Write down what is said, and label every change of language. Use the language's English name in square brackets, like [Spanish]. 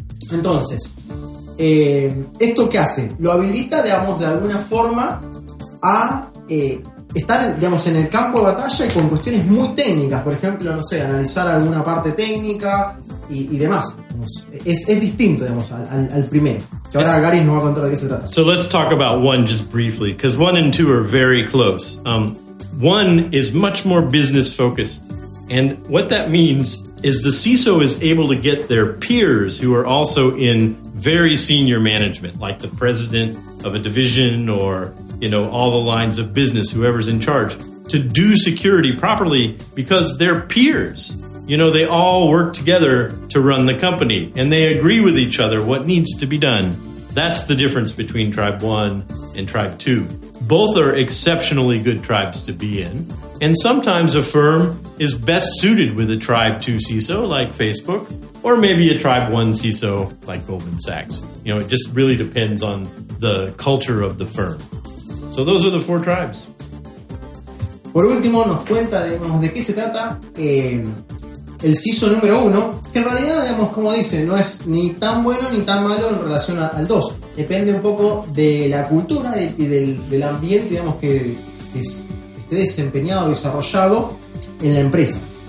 [Spanish] Entonces, ¿esto qué hace? Lo habilita, digamos, de alguna forma a estar, digamos, en el campo de batalla y con cuestiones muy técnicas, por ejemplo, no sé, analizar alguna parte técnica y demás. Es distinto, digamos, al primero. Ahora Gary nos va a contar de qué se trata. [English] So let's talk about one just briefly, because one and two are very close. One is much more business focused. And what that means is the CISO is able to get their peers who are also in very senior management, like the president of a division or, you know, all the lines of business, whoever's in charge, to do security properly because they're peers. You know, they all work together to run the company and they agree with each other what needs to be done. That's the difference between Tribe 1 and Tribe 2. Both are exceptionally good tribes to be in. And sometimes a firm is best suited with a Tribe 2 CISO like Facebook, or maybe a Tribe 1 CISO like Goldman Sachs. You know, it just really depends on the culture of the firm. So those are the 4 tribes. [Spanish] Por último, nos cuenta, digamos, de qué se trata el CISO número 1, que en realidad, digamos, como dice, no es ni tan bueno ni tan malo en relación al 2. Depende un poco de la cultura y del ambiente, digamos, que esté desempeñado, desarrollado en la empresa.